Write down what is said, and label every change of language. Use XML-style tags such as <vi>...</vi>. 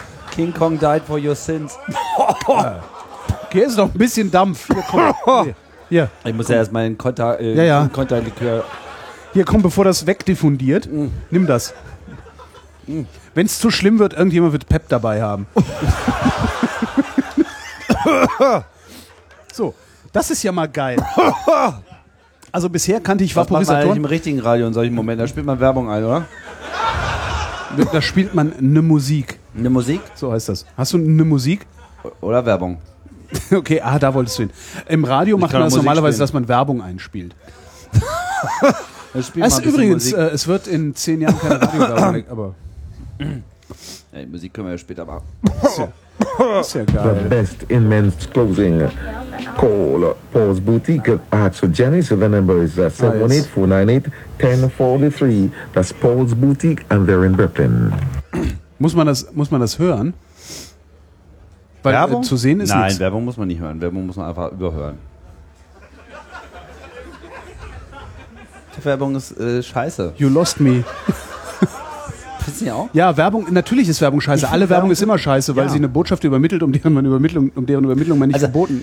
<en>King Kong died for your sins.</en> <de>Ja. Hier ist noch ein bisschen Dampf. Hier. Ich muss komm. Ja erstmal einen Konterlikör. Hier, komm, bevor das wegdiffundiert, nimm das. Wenn es zu schlimm wird, irgendjemand wird Pep dabei haben. So, das ist ja mal geil. Also bisher kannte ich Vaporisatoren. Das macht man halt im richtigen Radio in solchen Momenten. Da spielt man Werbung ein, oder? Da spielt man eine Musik. Eine Musik? So heißt das. Hast du eine Musik? Oder Werbung. Okay, da wolltest du hin. Im Radio macht man das normalerweise, dass man Werbung einspielt. Das ist übrigens, es wird in 10 Jahren keine Radio-Werbung, aber... Ja, die Musik können wir ja später machen. Ist ja geil.</de> <en>The best in men's clothing. Call Paul's Boutique at Jenny. So the number is 718-498-1043. Das Paul's Boutique and they're in Brooklyn.</en> <de>Muss man das hören? Weil, Werbung? Zu sehen ist nein, nichts. Werbung muss man nicht hören. Werbung muss man einfach überhören. Die Werbung ist scheiße.</de> <en>You lost me.</en> <de>Findest du auch? Ja, Werbung, natürlich ist Werbung scheiße. Alle Werbung ist immer scheiße, weil sie eine Botschaft übermittelt, um deren Übermittlung man nicht verboten</de>